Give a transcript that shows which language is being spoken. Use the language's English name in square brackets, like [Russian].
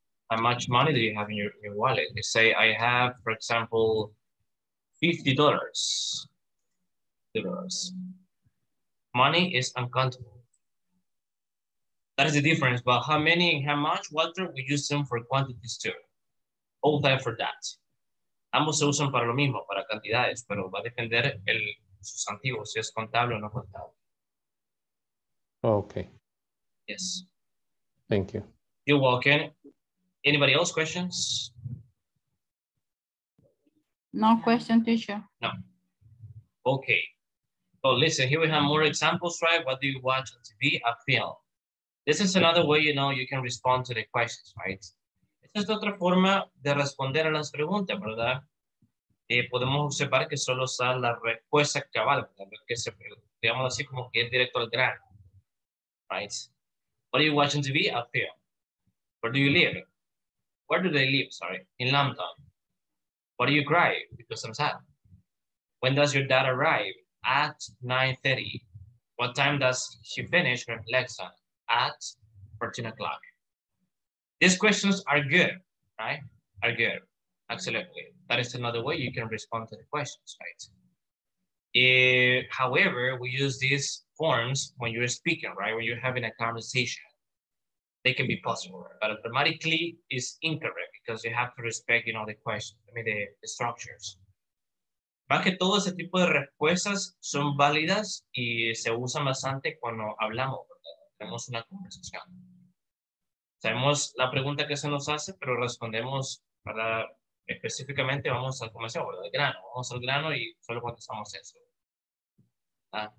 [English] How much money do you have in your wallet? You say, I have, for example, $50. Money is uncountable. That is the difference. But how many and how much, Walter, we use them for quantities too. All time for that. [Spanish] Ambos se usan para lo mismo, para cantidades, pero va a depender el sustantivo, si es contable o no contable. [English] Okay. Yes. Thank you. You're welcome. Anybody else questions? No question, teacher. No. Okay. So listen, here we have more examples, right? What do you watch on TV? A film. This is another way, you know, you can respond to the questions, right? [Spanish] Esta es otra forma de responder a las preguntas, ¿verdad? Podemos observar que solo está la respuesta cabal, ¿verdad? Que se, digamos así, como que es directo al grano, right? [English] What are you watching TV? A film. Where do you live? Where do they live, sorry, in London? What do you cry? Because I'm sad. When does your dad arrive? At 9:30. What time does she finish her lesson? At 14 o'clock. These questions are good, right? Are good, absolutely. That is another way you can respond to the questions, right? However, we use these forms when you're speaking, right? When you're having a conversation. They can be possible, but grammatically is incorrect because you have to respect, you know, the question, I mean, the structures. [Spanish] Más que todo, ese tipo de respuestas son válidas y se usan bastante cuando hablamos, tenemos una conversación. Sabemos la pregunta que se nos hace, pero respondemos para específicamente, vamos al comercio, ¿verdad? El grano. Vamos al grano y solo contestamos eso. ¿Ah?